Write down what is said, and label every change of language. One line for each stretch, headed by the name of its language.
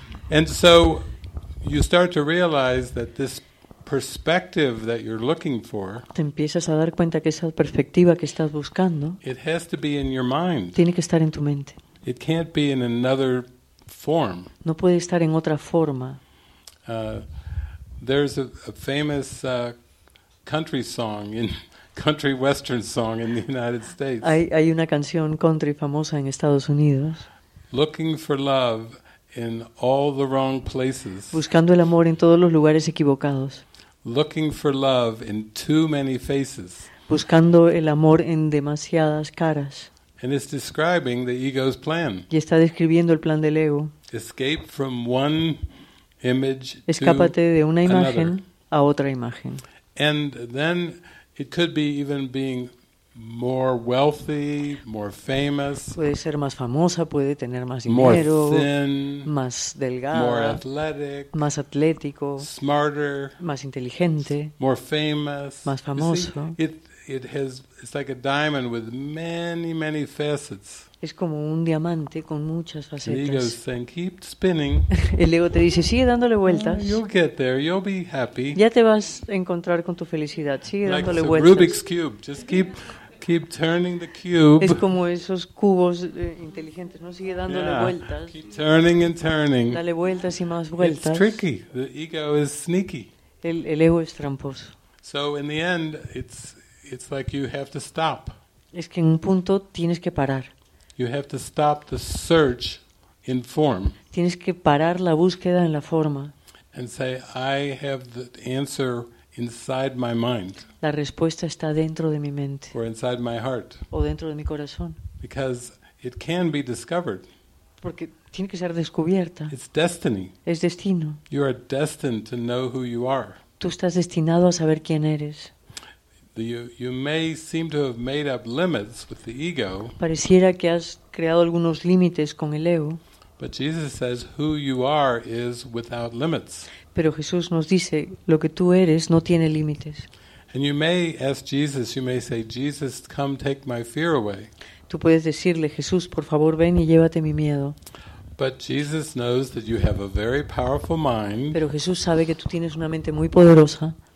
English: And so you start to realize that this perspective that you're looking for.
Spanish: Te empiezas a dar cuenta que esa perspectiva que estás buscando.
English: It has to be in your mind.
Spanish: Tiene que estar en tu mente.
English: It can't be in another form.
Spanish: No puede estar en otra forma.
English: There's a famous country song in country western song in the United States.
Spanish: Hay una canción country famosa en Estados Unidos.
English: Looking for love in all the wrong places.
Spanish: Buscando el amor en todos los lugares equivocados.
English: Looking for love in too many faces.
Spanish: Buscando el amor en demasiadas caras.
English: And it's describing the ego's plan.
Spanish: Y está describiendo el plan del ego.
English: Escape from one image to another.
Spanish: Escápate de una imagen a otra imagen.
English: And then it could be even being more wealthy, more famous.
Spanish: Puede ser más famosa, puede tener más dinero.
English: More thin,
Spanish: más delgada.
English: More athletic,
Spanish: más atlético.
English: Smarter,
Spanish: más inteligente.
English: More famous,
Spanish: más famoso.
English: See, it has it's like a diamond with many, many facets.
Spanish: Es como un diamante con muchas facetas.
English: The ego is saying, keep spinning.
Spanish: El ego te dice, sigue dándole vueltas.
English: Oh, you'll get there. You'll be happy.
Spanish: Ya te vas a encontrar con tu felicidad. Sigue
English: like
Spanish: dándole
English: it's
Spanish: vueltas.
English: A Rubik's cube. Just keep turning the cube.
Spanish: Es como esos cubos inteligentes, ¿no? Sigue dándole
English: yeah.
Spanish: vueltas.
English: Keep turning and turning.
Spanish: Dale vueltas y más vueltas.
English: It's tricky. The ego is sneaky.
Spanish: El ego es tramposo.
English: So in the end, it's like you have to stop.
Spanish: Es que en un punto tienes que parar.
English: You have to stop the search in form.
Spanish: Tienes que parar la búsqueda en la forma.
English: And say, I have the answer inside my mind.
Spanish: La respuesta está dentro de mi mente.
English: Or inside my heart.
Spanish: O dentro de mi corazón.
English: Because it can be discovered.
Spanish: Porque tiene que ser descubierta.
English: It's destiny.
Spanish: Es destino.
English: You are destined to know who you are.
Spanish: Tú estás destinado a saber quién eres.
English: You may seem to have made up limits with the ego.
Spanish: Pareciera que has creado algunos límites con el ego.
English: But Jesus says, "Who you are is without limits."
Spanish: Pero Jesús nos dice, lo que tú eres no tiene límites.
English: And you may ask Jesus. You may say, "Jesus, come take my fear away."
Spanish: Tú puedes decirle, Jesús, por favor, ven y llévate mi miedo.
English: But Jesus knows that you have a very powerful mind.
Spanish: Pero Jesús sabe que tú tienes una mente muy poderosa.